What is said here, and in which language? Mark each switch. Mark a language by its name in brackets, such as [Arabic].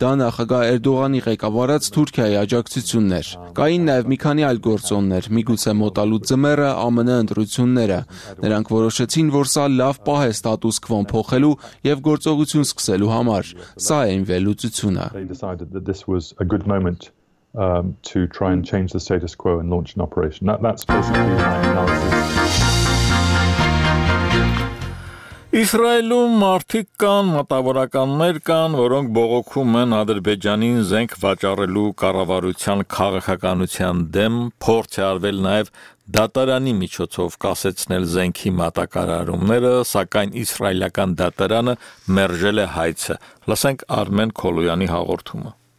[Armenian] նախագահ Էրդողանի ղեկավարած Թուրքիայի աջակցություններ։ Կային նաև մի քանի այլ գործոններ, միգուցե մոտալուտ ձմեռը, ԱՄՆ ընտրությունները։ Նրանք որոշեցին, որ սա լավ պահ է ստատուս քվոն փոխելու եւ գործողություն սկսելու համար։ Սա է ինվելյուցությունը։ [English] They decided that this was a good moment to try and change the status quo and launch an operation. That's basically my analysis. [Armenian] Իսրայելում մարդիկ կան, մտավորականներ կան, որոնք բողոքում են Ադրբեջանին զենք վաճառելու կառավարության քաղաքականության դեմ, փորձ է արվել նաև դատարանի միջոցով կասեցնել զենքի մատակարարումները, սակայն իսրայելական դատարանը մերժել է հայցը։ Լսենք Արմեն Քոլոյանի հաղորդումը։